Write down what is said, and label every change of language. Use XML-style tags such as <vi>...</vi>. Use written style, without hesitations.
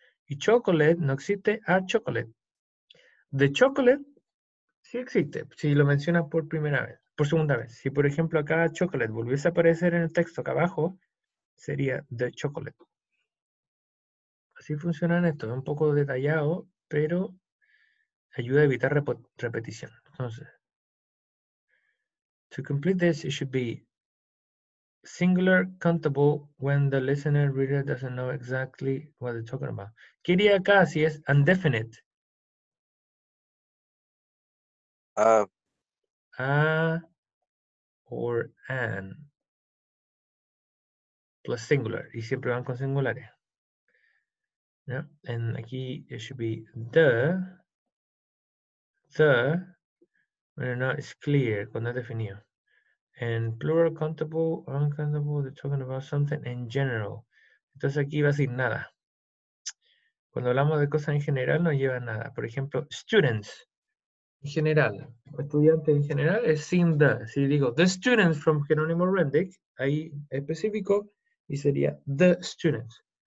<es>Y chocolate, no existe a chocolate. The chocolate, sí existe, si lo menciona por primera vez, por segunda vez. Si, por ejemplo, acá chocolate volviese a aparecer en el texto acá abajo, sería the chocolate. Sí funcionan esto, es un poco detallado, pero ayuda a evitar repetición.</es> <en>Entonces, to complete this, it should be singular, countable, when the listener reader doesn't know exactly what they're talking about.</en> <es>¿Qué diría acá si es indefinite?</es> <en>A or an. Plus singular,</en> <es>y siempre van con singulares.</es> <en>Yeah, and aquí it should be the when it's not clear,</en> <es>cuando es definido.</es> <en>And plural, countable, uncountable, they're talking about something in general.</en> <es>Entonces aquí va a decir nada. Cuando hablamos de cosas en general no lleva nada. Por ejemplo, students, en general, estudiante en general es sin the. Si digo the students from Jerónimo Rendic, ahí específico, y sería the students.</es>